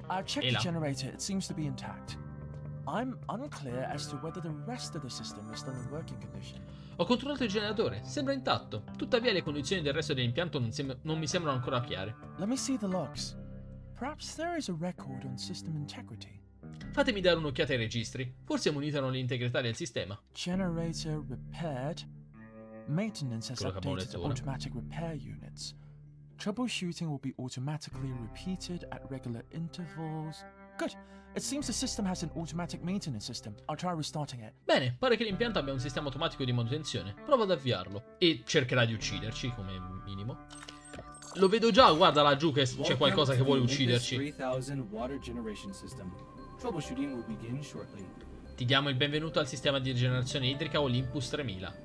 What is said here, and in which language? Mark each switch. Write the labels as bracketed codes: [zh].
[it] Ho [en] checked the generator, it seems to be intact. I'm unclear as to whether the rest of the system is still in working condition. [it] Ho controllato il generatore, sembra intatto. Tuttavia le condizioni del resto dell'impianto non mi sembrano ancora chiare. [en] Let me see the logs. Perhaps there is a record on system integrity. [it] Fatemi dare un'occhiata ai registri. Forse monitorano l'integrità del sistema. [en] Generator repaired. Maintenance has updated automatic repair units. Troubleshooting will be automatically repeated at regular intervals. Good. It seems the system has an automatic maintenance system. I'll try restarting it. [it] Bene, pare che l'impianto abbia un sistema automatico di manutenzione. Provo ad avviarlo. E cercherà di ucciderci, come minimo. Lo vedo già, guarda laggiù che c'è qualcosa che vuole ucciderci. [en] Troubleshooting will begin shortly. [it] Ti diamo il benvenuto al sistema di rigenerazione idrica Olympus 3000.